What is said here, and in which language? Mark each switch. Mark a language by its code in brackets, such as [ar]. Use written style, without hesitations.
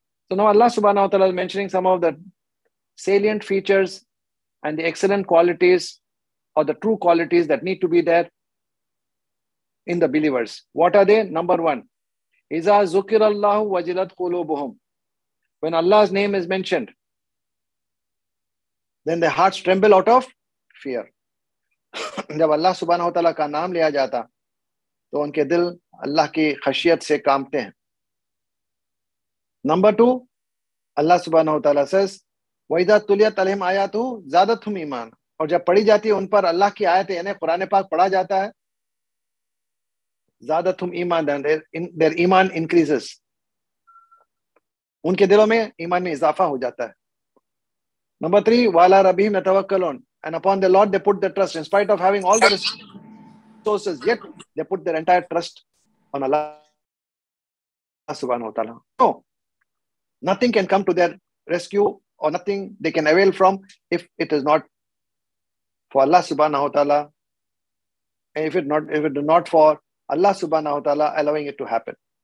[en] So now Allah subhanahu wa ta'ala is mentioning some of the salient features and the excellent qualities or the true qualities that need to be there in the believers. What are they? Number one, [ar] إِذَا ذُكِرَ اللَّهُ وَجِلَتْ قُلُوبُهُمْ. [en] When Allah's name is mentioned, then their hearts tremble out of fear. [ur] جب اللہ سبحانہ وتعالیٰ کا نام لیا جاتا تو ان کے دل اللہ کی خشیت سے کانپتے ہیں. [en] Number two, Allah subhanahu wa ta'ala says, [ar] وَإِذَا تُلِيَتْ عَلَيْهِمْ آيَاتُهُ زَادَتْهُمْ إِيمَانًا. [ur] اور جب پڑھی جاتی ہے ان پر اللہ کی آیتیں, یعنی قرآن پاک پڑھا جاتا ہے, [ar] زَادَتْهُمْ إِيمَانًا, [en] their ایمان increases, [ur] ان کے دلوں میں ایمان میں اضافہ ہو جاتا ہے. [en] Number three, [ar] وَعَلَىٰ رَبِّهِمْ يَتَوَكَّلُونَ. [en] And upon the Lord they put their trust, in spite of having all the resources, yet they put their entire trust on Allah subhanahu wa ta'ala. No, nothing can come to their rescue or nothing they can avail from if it is not for Allah subhanahu wa ta'ala, if it is not for Allah subhanahu wa ta'ala allowing it to happen.